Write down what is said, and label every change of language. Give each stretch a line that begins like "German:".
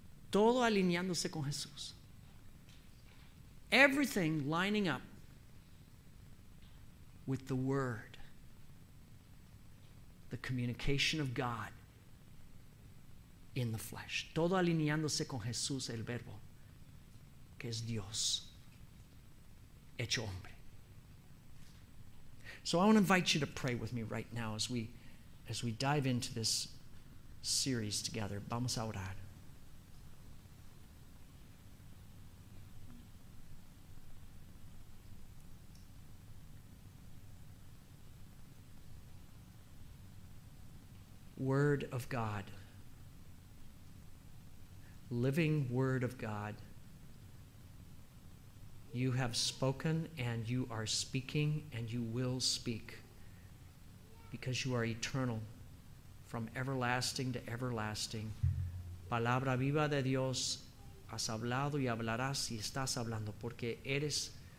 Spanish: Todo alineándose con Jesús.
English: Everything lining up with the Word, the communication of God in the flesh.
Spanish: Todo alineándose con Jesús, el Verbo, que es Dios, hecho hombre.
English: So I want to invite you to pray with me right now as we dive into this series together.
Spanish: Vamos a orar.
English: Word of God, living Word of God, you have spoken and you are speaking and you will speak because you are eternal, from everlasting to everlasting.
Spanish: Palabra viva de Dios, has hablado y hablarás y estás hablando porque eres